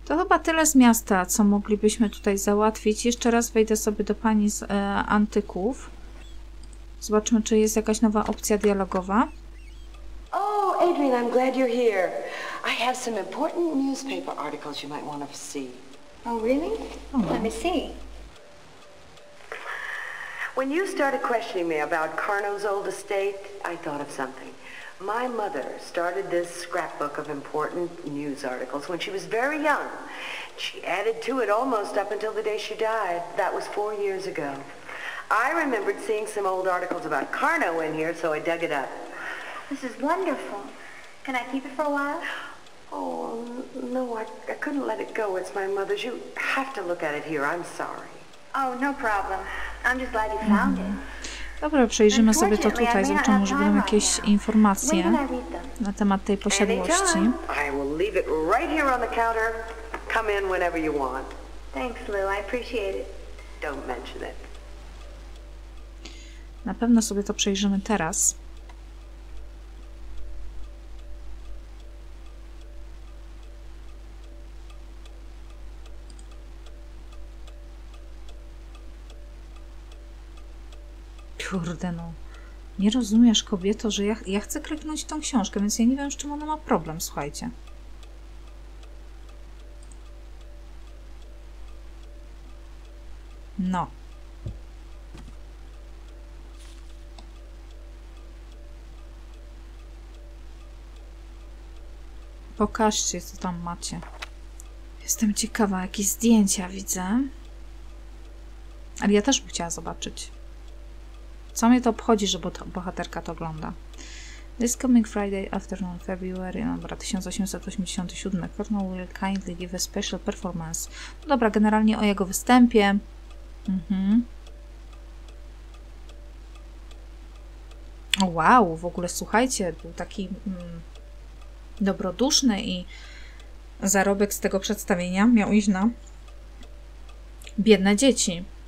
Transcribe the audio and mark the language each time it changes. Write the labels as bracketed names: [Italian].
[Polish] chyba tyle z miasta, co moglibyśmy tutaj załatwić. Jeszcze raz wejdę sobie do pani z antyków. Zobaczmy, czy jest jakaś nowa opcja dialogowa. [English] Oh, Adrian, I'm glad you're here. I have some important newspaper articles you might want to see. Oh, really? Oh. Let me see. When you started questioning me about Carno's old estate, I thought of something. My mother started this scrapbook of important news articles when she was very young. She added to it almost up until the day she died. That was 4 years ago. I remembered seeing some old articles about Carno in here, so I dug it up. This is wonderful. Can I keep it for a while? Oh, no, I couldn't let it go. It's my mother's. You have to look at it here. I'm sorry. Oh, no problem. I'm just glad you found it. [Polish] Dobra, przejrzymy sobie to tutaj. Zobaczmy, może będą jakieś informacje na temat tej posiadłości. [English] I will leave it right here on the counter. Come in whenever you want. Thanks, Lou. I appreciate it. Don't mention it. [Polish] Na pewno sobie to przejrzymy teraz. Kurde, no. Nie rozumiesz, kobieto, że ja chcę kliknąć tą książkę, więc ja nie wiem, z czym ona ma problem, słuchajcie. No. Pokażcie, co tam macie. Jestem ciekawa, jakie zdjęcia widzę. Ale ja też bym chciała zobaczyć. Co mnie to obchodzi, że bohaterka to ogląda? [English] This coming Friday afternoon, February, [Polish] dobra, [English] 1887, Colonel will kindly give a special performance. [Polish] No dobra, generalnie o jego występie. Mhm. Wow, w ogóle słuchajcie, był taki dobroduszny i zarobek z tego przedstawienia miał iść na biedne dzieci.